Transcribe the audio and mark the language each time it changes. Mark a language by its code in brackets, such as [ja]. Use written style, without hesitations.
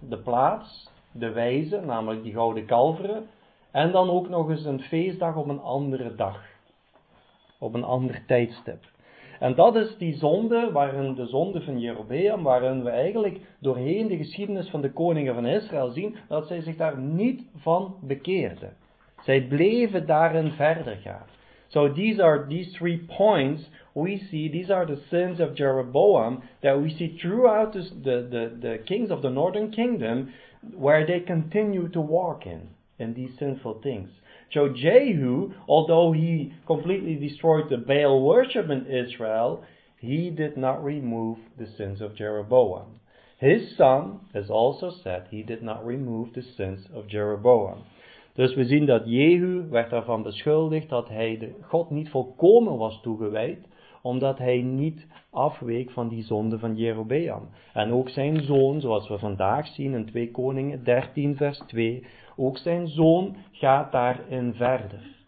[nl] De plaats, de wijze, namelijk die gouden kalveren, en dan ook nog eens een feestdag op een andere dag, op een ander tijdstip. En dat is die zonde, waarin de zonde van Jeroboam, waarin we eigenlijk doorheen de geschiedenis van de koningen van Israël zien, dat zij zich daar niet van bekeerden. Zij bleven daarin verder gaan. [en] So these three points we see, these are the sins of Jeroboam, that we see throughout the kings of the northern kingdom, where they continue to walk in these sinful things. So Jehu, although he completely destroyed the Baal worship in Israel, he did not remove the sins of Jeroboam. His son, as also said, he did not remove the sins of Jeroboam. [nl] Dus we zien dat Jehu werd daarvan beschuldigd dat hij de God niet volkomen was toegewijd, omdat hij niet afweek van die zonde van Jeroboam. En ook zijn zoon, zoals we vandaag zien in 2 Koningen 13 vers 2, ook zijn zoon gaat daarin verder.